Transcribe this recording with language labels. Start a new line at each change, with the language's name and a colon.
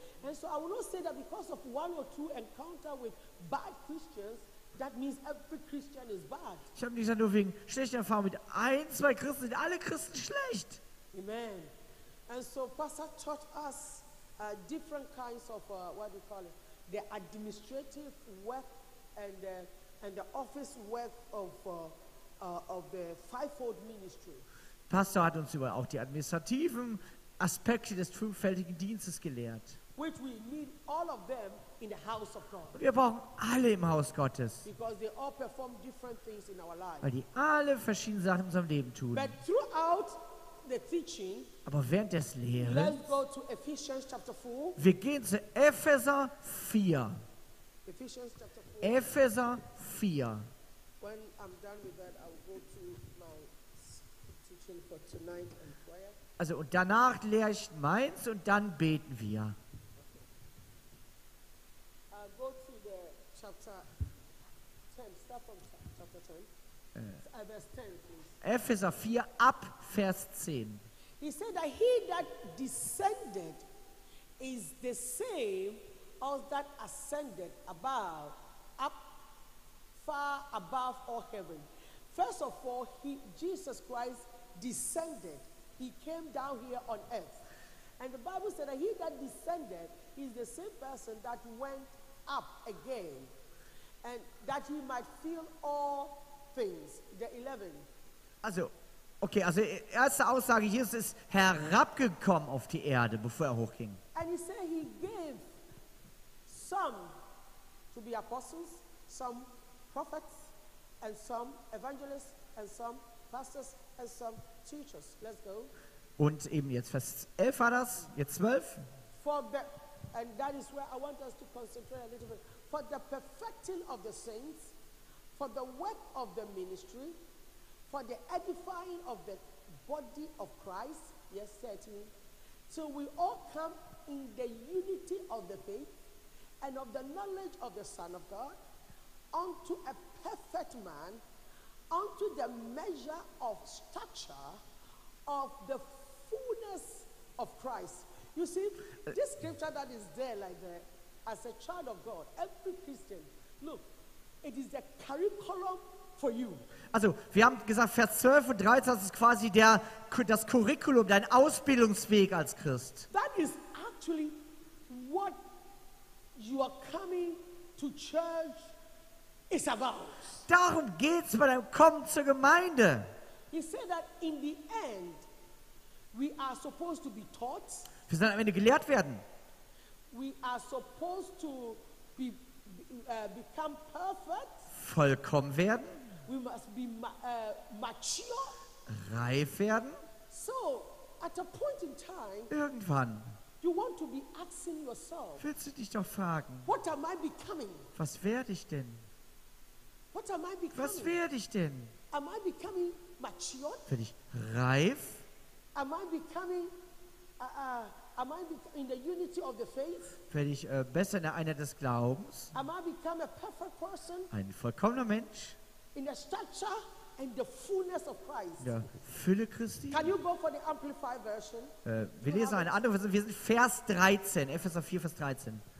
German: Und so,
English: I will not say that because of one or two encounters with bad Christians, that means every Christian is bad.
German: Ich habe nicht gesagt, nur wegen schlechter Erfahrung mit ein, zwei Christen sind alle Christen schlecht.
English: Amen. And so Pastor taught us different kinds of what do you call it? The administrative work and the office work of the fivefold ministry.
German: Pastor hat uns über auch die administrativen Aspekte des fünffältigen Dienstes gelehrt.
English: Which we need all of them in the house of God.
German: Wir brauchen alle im Haus Gottes.
English: Because they all perform different things in our lives.
German: Weil die alle verschiedene Sachen in unserem Leben tun.
English: But throughout the teaching,
German: aber während des Lehrens,
English: let's go to Ephesians chapter 4.
German: Wir gehen zu Epheser 4.
English: Ephesians chapter 4.
German: Epheser 4.
English: When I'm done with that, I'll go to my teaching for tonight.
German: Also, und danach lehre ich meins und dann beten wir.
English: Go to the chapter 10. Start from chapter 10. Verse 10, please.
German: Epheser 4, ab Vers 10.
English: He said that he that descended is the same as that ascended above, up far above all heaven. First of all, Jesus Christ descended. He came down here on earth. And the Bible said that he that descended is the same person that went up again, and that he might fill all things. The 11.
German: Also, okay, also erste Aussage, Jesus ist herabgekommen auf die Erde, bevor er hochging.
English: And he said he gave some to be apostles, some prophets, and some evangelists, and some pastors, and some teachers. Let's go.
German: Und eben jetzt Vers 11 war das, jetzt 12.
English: For the, and that is where I want us to concentrate a little bit. For the perfecting of the saints, for the work of the ministry, for the edifying of the body of Christ, yes, 13, till we all come in the unity of the faith and of the knowledge of the Son of God, unto a perfect man, unto the measure of stature of the fullness of Christ. You see, this scripture that is there like that, as a child of God, every Christian, look, it is the curriculum for you.
German: Also, wir haben gesagt, Vers 12 und 13, das ist quasi der, das Curriculum, dein Ausbildungsweg als Christ.
English: That is actually what you are coming to church is about.
German: Darum geht's bei deinem Kommen zur Gemeinde.
English: He said that in the end, we are supposed to be taught.
German: Wir sollen am Ende gelehrt werden.
English: We are supposed to become perfect.
German: Vollkommen werden.
English: We must be mature.
German: Reif werden.
English: So, at a point in time,
German: irgendwann.
English: You want to be asking yourself.
German: Willst du dich doch fragen?
English: What am I becoming?
German: Was werde ich denn?
English: What am I becoming?
German: Was werde ich denn?
English: Am I becoming mature?
German: Werde ich reif?
English: Am I becoming am I in the unity of the faith?
German: Werde ich besser in der Einheit des Glaubens?
English: Am I become a perfect person?
German: Ein vollkommener Mensch?
English: In the stature and the fullness of Christ.
German: In der Fülle Christi.
English: Can you go for the Amplified version?
German: Wir lesen eine andere Version. Wir sind Vers 13, Epheser 4, Vers 13.